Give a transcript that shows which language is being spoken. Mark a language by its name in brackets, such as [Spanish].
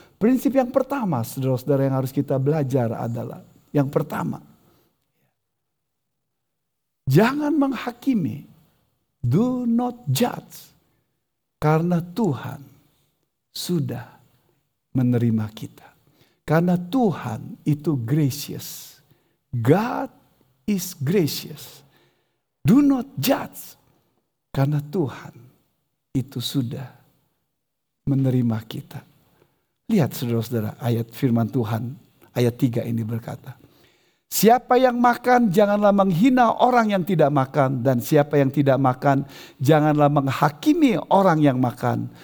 [Indonesian] Prinsip yang pertama, saudara-saudara, yang harus kita belajar adalah, yang pertama, jangan menghakimi, [English] do not judge, [Indonesian] karena Tuhan sudah menerima kita. Karena Tuhan itu gracious. [English] God is gracious. Do not judge. [Indonesian] Karena Tuhan itu sudah menerima kita. Lihat saudara-saudara, ayat firman Tuhan, ayat 3 ini berkata, siapa yang makan, janganlah menghina orang yang tidak makan. Dan siapa yang tidak makan, janganlah menghakimi orang yang makan.